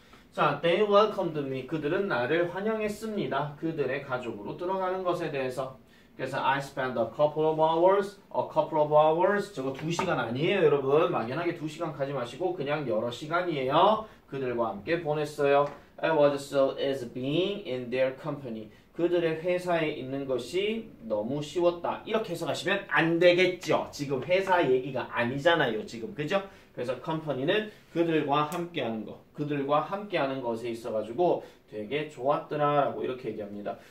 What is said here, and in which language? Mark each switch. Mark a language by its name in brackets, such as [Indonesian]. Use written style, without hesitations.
[English] 자, they welcomed me. [Korean] 그들은 나를 환영했습니다. 그들의 가족으로 들어가는 것에 대해서. [English] 그래서 I spent a couple of hours. [Korean] 저거 2시간 아니에요, 여러분. 막연하게 2시간 가지 마시고 그냥 여러 시간이에요. 그들과 함께 보냈어요. [English] I was so as being in their company. [Korean] 그들의 회사에 있는 것이 너무 쉬웠다. 이렇게 해석하시면 안 되겠죠. 지금 회사 얘기가 아니잖아요, 지금. 그죠? 그래서 company는 그들과 함께하는 거. 그들과 함께하는 것에 있어가지고 되게 좋았더라라고 이렇게 얘기합니다.